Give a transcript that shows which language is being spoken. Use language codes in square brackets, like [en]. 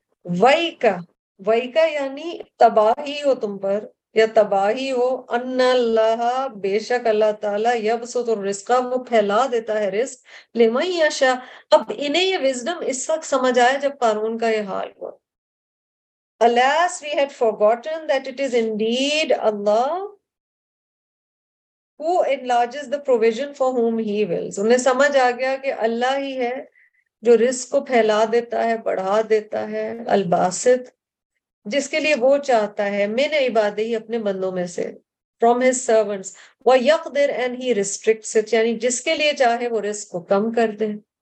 [hi] वही का यानी तबाही हो तुम पर या तबाही हो. अन्नल्लाह, बेशक अल्लाह ताला, [ar] यबसुतुर रिस्का, [hi] वो फैला देता है रिस्क, [ar] ले मई यशा. [hi] अब इन्हें ये विजडम इस वक्त समझ आया जब कानून का ये हाल हुआ. [en] Alas, we had forgotten that it is indeed Allah who enlarges the provision for whom He wills. [hi] उन्हें समझ आ गया कि अल्लाह ही है जो रिस्क को फैला देता है, बढ़ा देता है. अलबासित, जिसके लिए वो चाहता है. मैंने इबादे ही अपने बंदों में से. [en] From His servants, [hi] वह यक़दिर [en] and he restricts it, [hi] यानी जिसके लिए चाहे वो रिस्क को कम कर दे.